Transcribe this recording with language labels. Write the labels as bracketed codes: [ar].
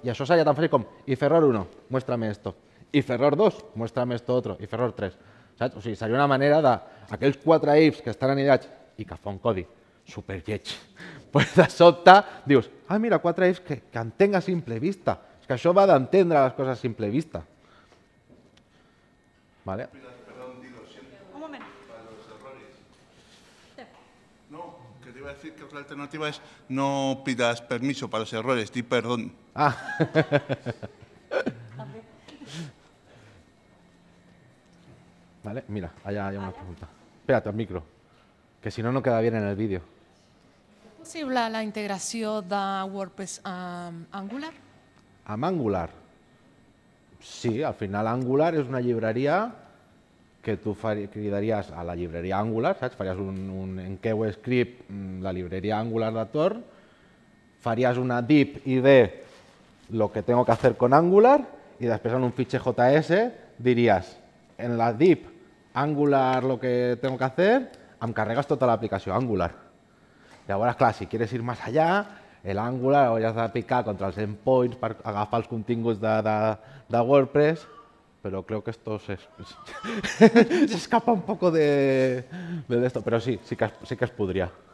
[ca] I això seria tan fàcil com IF error 1, [es] muéstrame esto. [ca] I error 2, [es] muéstrame esto otro, [ca] i error 3. Saps? O sigui, seria una manera de aquells quatre ifs que estan anidats i que fa un codi super lleig. Pues de sobte dius, ah, mira, quatre ifs que entenc a simple vista. És que això va d'entendre les coses a simple vista. Vale? Un moment. [es] No, que te iba a decir que la alternativa es no pidas permiso para los errores, di perdón. Ah. Vale, mira, allá hay una pregunta. Espérate, al micro, que si no, no queda bien en el vídeo. [ca] ¿Es posible la integració de WordPress amb Angular? Amb Angular? Sí, al final Angular és una llibreria que tu cridaries a la llibreria Angular, saps? Faries un enqueu script, la llibreria Angular de Tor, faries una div id [es] lo que tengo que hacer con Angular, [ca] i després en un fitxer JS diries en la div Angular [es] lo que tengo que hacer, [ca] em carregues tota l'aplicació Angular. Llavors, clar, [es] si quieres ir más allá, [ca] el Angular ho has de picar contra els endpoints per agafar els continguts de WordPress, [es] pero creo que esto se escapa un poco de esto, pero sí, sí que es podría.